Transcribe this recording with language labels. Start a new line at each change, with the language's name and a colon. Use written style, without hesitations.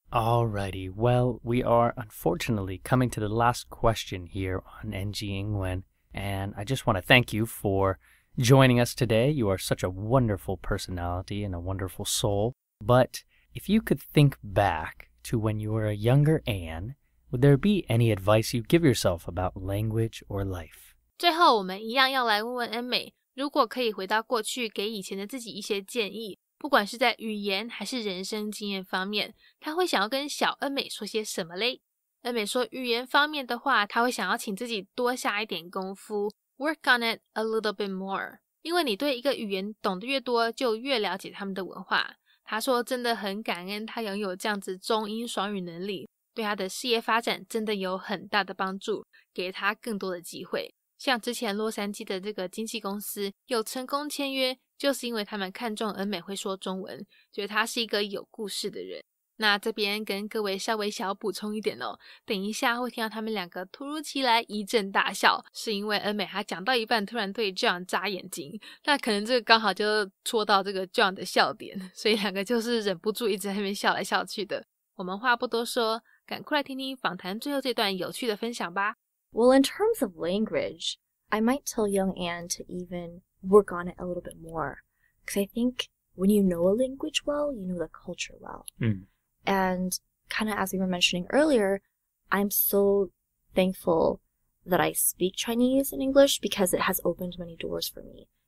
English: Alrighty, well, we are unfortunately coming to the last question here on NG Ingwen, and I just want to thank you for... joining us today. You are such a wonderful personality and a wonderful soul. But if you could think back to when you were a younger Anne, would there be any advice you'd give yourself about language or life?
Chinese: 最后我们一样要来问问恩美，如果可以回到过去给以前的自己一些建议，不管是在语言还是人生经验方面，她会想要跟小恩美说些什么嘞？恩美说语言方面的话，她会想要请自己多下一点功夫。
English: Work on it a little bit more.
Chinese: 因为你对一个语言懂得越多，就越了解他们的文化。他说真的很感恩他拥有这样子中英双语能力，对他的事业发展真的有很大的帮助，给他更多的机会。像之前洛杉矶的这个经纪公司有成功签约，就是因为他们看中恩美会说中文，觉得他是一个有故事的人。那这边跟各位稍微小补充一点哦，等一下会听到他们两个突如其来一阵大笑，是因为恩美她讲到一半突然对 John 眨眼睛，那可能这个刚好就戳到这个 John 的笑点，所以两个就是忍不住一直在那边笑来笑去的。我们话不多说，赶快来听听访谈最后这段有趣的分享吧。
English: Well, in terms of language, I might tell young Anne to even work on it a little bit more, because I think when you know a language well, you know the culture well. And kind of as we were mentioning earlier, I'm so thankful that I speak Chinese and English because it has opened many doors for me.